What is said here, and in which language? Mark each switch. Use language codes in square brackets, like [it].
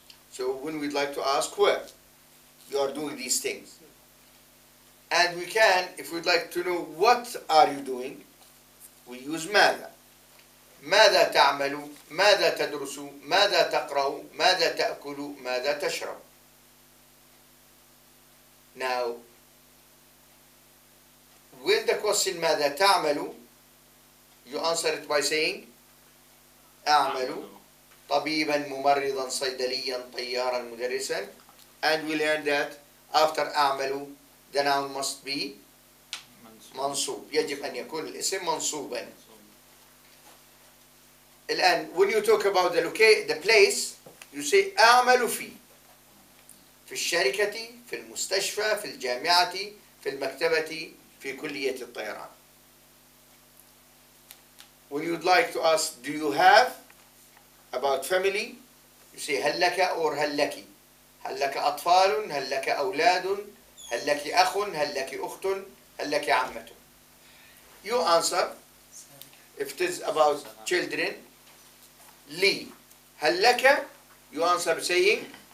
[en] So when we'd like to ask where, you are doing these things. And we can, if we'd like to know what are you doing, we use ماذا. [ar] ماذا تعمل؟ ماذا تدرس؟ ماذا تقرأ؟ ماذا تأكل؟ ماذا تشرب؟ [en] Now, with the question [ar] ماذا تعمل؟ [en] You answer it by saying [ar] أعمل طبيبا ممرضا صيدليا طيارا مدرسا. [en] And we learn that after أعمل the noun must be منصوب. [ar] يجب أن يكون الاسم منصوبا. [en] الآن when you talk about the place, you say [ar] أعمل في. في الشركة، في المستشفى، في الجامعة، في المكتبة، في كلية الطيران. [en] When you'd like to ask do you have about family, you say هل لك or هل لك. [ar] هل لك أطفال، هل لك أولاد، هل لك أخ، هل لك أخت، هل لك عمة. [en] You answer if it is about children. لي. [ar] هل لك؟ [en] You answer saying